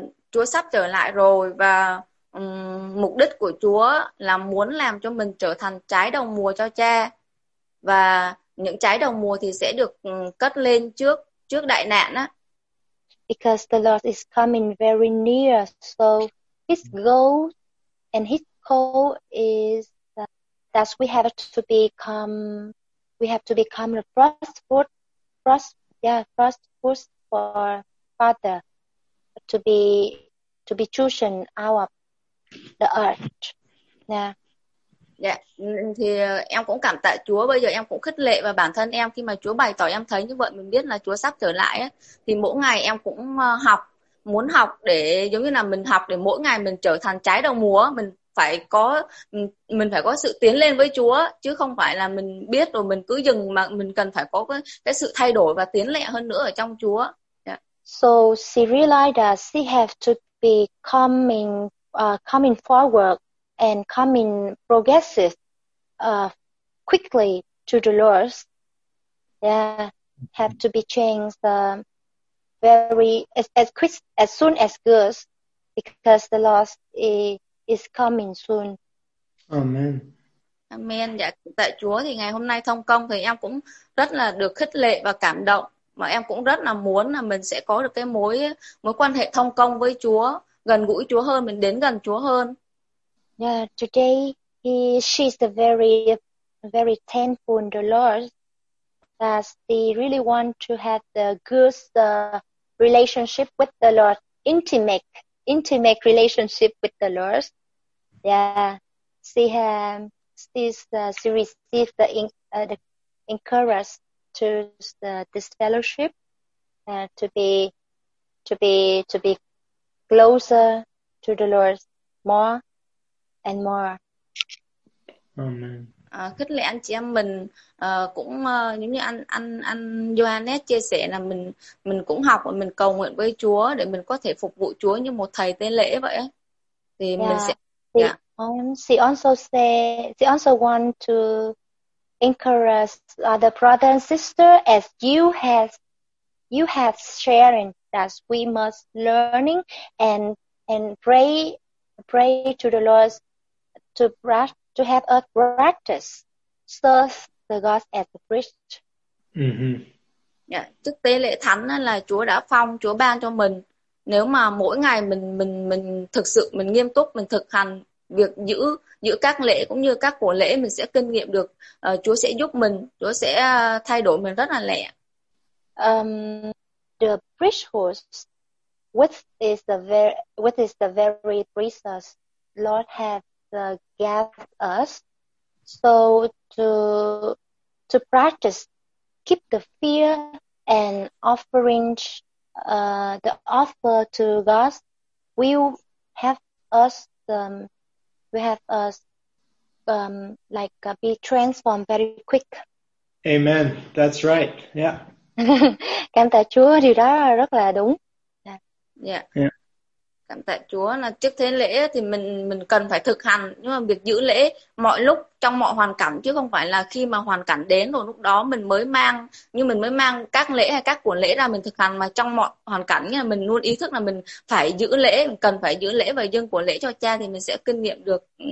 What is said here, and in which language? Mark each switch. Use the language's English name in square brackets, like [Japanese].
[Vietnamese] Chúa sắp trở lại rồi, và mục đích của Chúa là muốn làm cho mình trở thành trái đầu mùa cho Cha, và những trái đầu mùa thì sẽ được cất lên trước đại nạn á. [English] Because the Lord is coming very near, so his goal and his call is that we have to become the first fruit for Father to be chosen our the earth. [Vietnamese] Thì em cũng cảm tạ Chúa. Bây giờ em cũng khích lệ, và bản thân em khi mà Chúa bày tỏ em thấy như vậy, mình biết là Chúa sắp trở lại ấy, thì mỗi ngày em cũng học, muốn học để giống như là mình học để mỗi ngày mình trở thành trái đầu mùa. Mình phải có sự tiến lên với Chúa, chứ không phải là mình biết rồi mình cứ dừng, mà mình cần phải có cái sự thay đổi và tiến lẹ hơn nữa ở trong Chúa. [English] So she realized that she have to be coming forward and coming progressive quickly to the Lord. Yeah, have to be changed very as soon as good, because the Lord is coming soon. Amen. Amen. [Vietnamese] Dạ, tại Chúa thì ngày hôm nay thông công thì em cũng rất là được khích lệ và cảm động, mà em cũng rất là muốn là mình sẽ có được cái mối quan hệ thông công với Chúa, gần gũi Chúa hơn, mình đến gần Chúa hơn. [English] Yeah, today she's a very, very thankful the Lord that they really want to have the good relationship with the Lord, intimate relationship with the Lord. Yeah, she received the encourage to this fellowship to be closer to the Lord more and more. Amen. [Vietnamese] Khích lệ anh chị em mình cũng giống như anh Johannes chia sẻ là mình cũng học và mình cầu nguyện với Chúa để mình có thể phục vụ Chúa như một thầy tế lễ vậy. Thì [English] yeah. [Vietnamese] Mình sẽ [English] she also want to encourage other brother and sister, as you have sharing that we must learning and pray to the Lord to have a practice serve the God as a priest. Mm-hmm. [Vietnamese] Yeah, chức tế lễ thánh là Chúa đã phong, Chúa ban cho mình. Nếu mà mỗi ngày mình thực sự mình nghiêm túc, mình thực hành việc giữ các lễ cũng như các của lễ, mình sẽ kinh nghiệm được Chúa sẽ giúp mình, Chúa sẽ thay đổi mình rất là lẹ. [English] The priesthood, which is the very precious Lord has gave us, so to practice, keep the fear and offering the offer to God, will have us be transformed very quick. Amen. That's right. Yeah. [Vietnamese] Cảm tạ Chúa, điều đó rất là đúng. [English] Yeah. Yeah. [Vietnamese] Cảm tạ Chúa là trước thế lễ thì mình cần phải thực hành, nhưng mà việc giữ lễ mọi lúc trong mọi hoàn cảnh, chứ không phải là khi mà hoàn cảnh đến rồi lúc đó mình mới mang, như mình mới mang các lễ hay các của lễ ra mình thực hành, mà trong mọi hoàn cảnh là mình luôn ý thức là mình phải giữ lễ, cần phải giữ lễ và dâng của lễ cho Cha thì mình sẽ kinh nghiệm được.